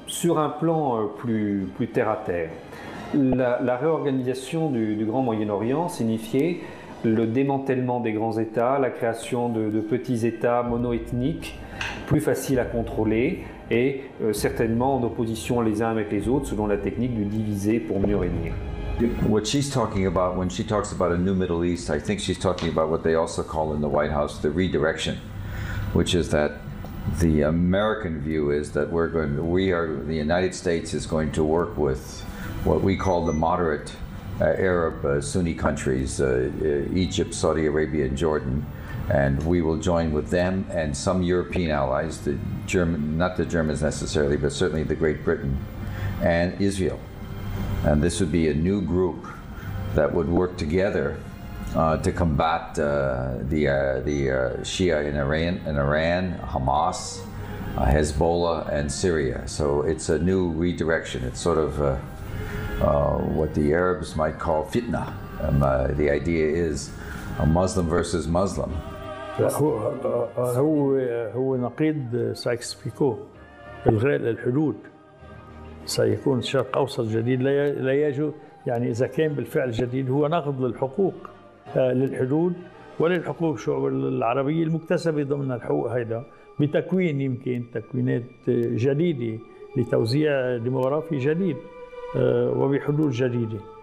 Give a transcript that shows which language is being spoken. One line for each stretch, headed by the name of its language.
French: Sur un plan plus terre à terre, la réorganisation du Grand Moyen-Orient signifiait le démantèlement des grands États, la création de petits États monoethniques, plus faciles à contrôler et certainement en opposition les uns avec les autres selon la technique du diviser pour mieux régner.
English: What she's talking about when she talks about a new Middle East, I think she's talking about what they also call in the White House the redirection, which is that the American view is that the United States is going to work with what we call the moderate Arab Sunni countries, Egypt, Saudi Arabia, and Jordan, and we will join with them and some European allies, not the Germans necessarily, but certainly the Great Britain and Israel. And this would be a new group that would work together to combat the Shia in Iran, Hamas, Hezbollah, and Syria. So it's a new redirection. It's sort of what the Arabs might call fitna. The idea is a Muslim versus Muslim.
Arabic: هو نقيض سايكس-بيكو الغاء الحدود. سيكون الشرق الأوسط الجديد لا يجو يعني إذا كان بالفعل الجديد هو نقض للحقوق للحدود وللحقوق الشعوب العربية المكتسبة ضمن الحقوق هيدا بتكوين يمكن تكوينات جديدة لتوزيع ديموغرافي جديد وبحدود جديدة.